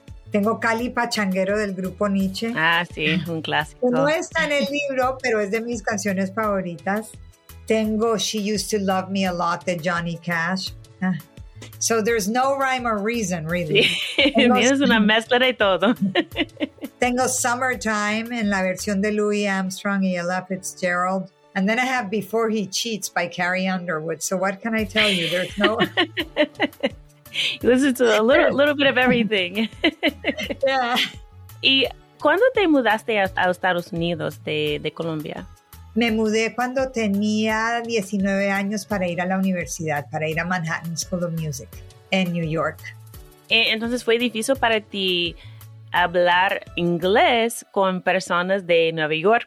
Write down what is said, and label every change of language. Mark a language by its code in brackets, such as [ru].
[es] Tengo Cali Pachanguero del grupo Niche. Ah, sí, un clásico. No está en el libro, pero es de mis canciones favoritas. Tengo She Used to Love Me a Lot de Johnny Cash. [en] So there's no rhyme or reason, really. [es] Sí, es una mezcla de todo. Tengo Summertime en la versión de Louis Armstrong y Ella Fitzgerald. [en] And then I have Before He Cheats by Carrie Underwood. So what can I tell you? There's no... You listen to a little bit of everything. Yeah. [es] ¿Y cuándo te mudaste a Estados Unidos de Colombia? Me mudé cuando tenía 19 años para ir a la universidad, para ir a Manhattan School of Music en New York. Entonces, ¿fue difícil para ti hablar inglés con personas de Nueva York?